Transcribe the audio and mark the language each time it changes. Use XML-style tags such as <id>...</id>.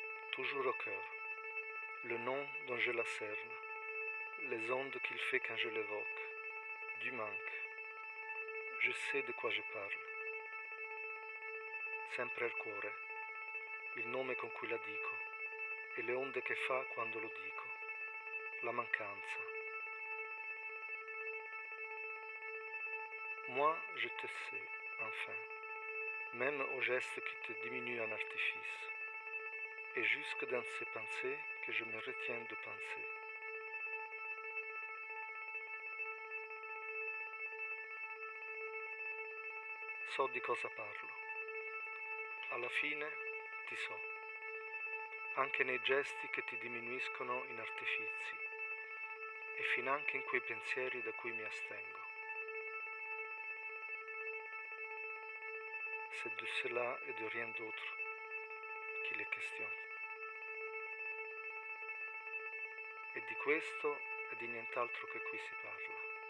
<fr>Toujours au cœur, le nom dont je la cerne. Les ondes qu'il fait quand je l'évoque, du manque. Je sais de quoi je parle.</fr> <it>Sempre al cuore, il nome con cui la dico, e le onde che fa quando lo dico, la mancanza,</it> <fr>Moi, je te sais, enfin, même aux gestes qui te diminuent en artifice, et jusque dans ces pensées que je me retiens de penser.</fr> <it>So di cosa parlo. Alla fine ti so. Anche nei gesti che ti diminuiscono in artifici e fin anche in quei pensieri da cui mi astengo.</it> <fr>C'est de cela et de rien d'autre qu'il est question.</fr> <it>E di questo e di nient'altro che qui si parla.</it>